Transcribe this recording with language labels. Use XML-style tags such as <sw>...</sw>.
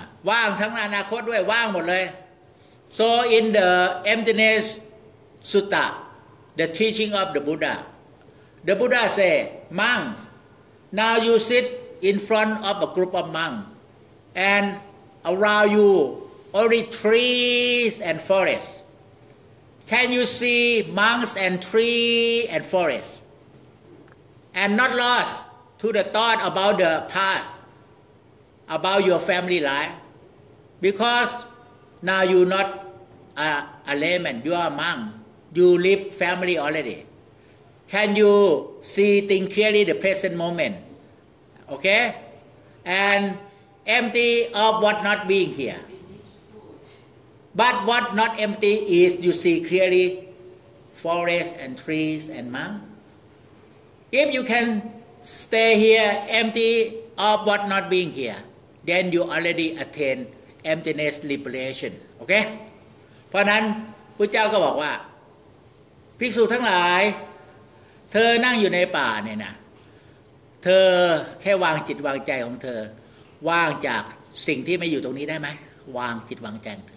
<th>ว่างทั้งอนาคตด้วยว่างหมดเลย</th> <en>so in the emptiness sutta the teaching of the Buddha say monks now you sit in front of a group of monks and around you only trees and forests can you see monks and tree and forest and not lostto the thought about the past, about your family life. Because now you're not a layman, you are a monk. You live family already. Can you see things clearly the present moment? okay? And empty of what not being here. But what not empty is you see clearly forest and trees and mountain. If you can stay here empty of what not being here, then you already attain emptiness liberation.</en> <th>Okay? เพราะนั้นพุทธเจ้าก็บอกว่าภิกษุทั้งหลายเธอนั่งอยู่ในป่าเนี่ยนะเธอแค่วางจิตวางใจของเธอว่างจากสิ่งที่ไม่อยู่ตรงนี้ได้ไหมวางจิตวางใจ</th>